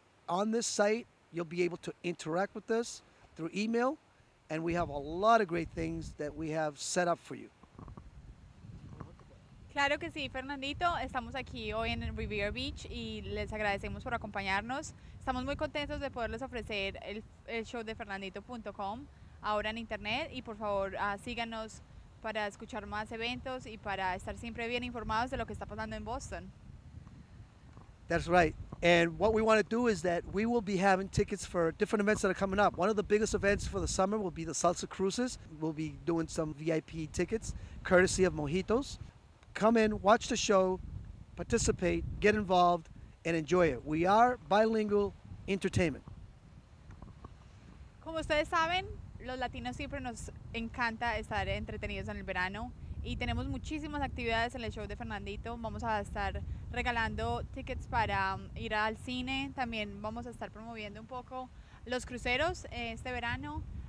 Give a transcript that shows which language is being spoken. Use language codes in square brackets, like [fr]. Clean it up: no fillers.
[en] On this site, you'll be able to interact with us through email, and we have a lot of great things that we have set up for you. [es] Claro que sí, Fernandito. Estamos aquí hoy en Riviera Beach y les agradecemos por acompañarnos. Estamos muy contentos de poderles ofrecer el show de Fernandito.com ahora en internet. Y por favor, síganos para escuchar más eventos y para estar siempre bien informados de lo que está pasando en Boston. [en] That's right. And what we want to do is that we will be having tickets for different events that are coming up. One of the biggest events for the summer will be the Salsa Cruises. We'll be doing some VIP tickets, courtesy of Mojitos. Come in, watch the show, participate, get involved, and enjoy it. We are bilingual entertainment. [es] Como ustedes saben, los latinos siempre nos encanta estar entretenidos en el verano y tenemos muchísimas actividades en el show de Fernandito. Vamos a estar regalando tickets para ir al cine. También vamos a estar promoviendo un poco los cruceros este verano.